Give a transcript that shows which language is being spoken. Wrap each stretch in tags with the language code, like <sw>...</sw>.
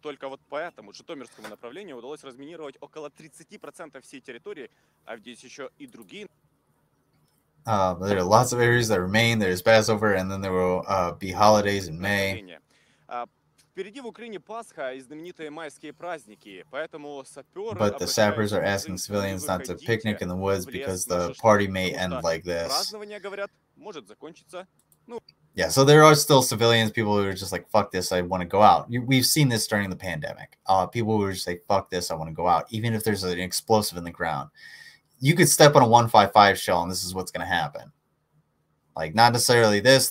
<ru>Только вот поэтому Житомирскому направлению удалось разминировать около 30% всей территории, а здесь еще и другие.</ru> <en>There are lots of areas that remain. There's Passover, and then there will be holidays in May.</en> <ru>впереди в Украине Пасха и знаменитые майские праздники, поэтому саперы...</ru> <en>But the sappers are asking civilians not to picnic in the woods because the party may end like this.</en> <ru>Празднование, говорят, может закончиться.</ru> <en>Yeah, so there are still civilians, people who are just like, fuck this, I want to go out. We've seen this during the pandemic. People who are just like, fuck this, I want to go out, even if there's an explosive in the ground. You could step on a 155 shell and this is what's going to happen. Like, not necessarily this.</en>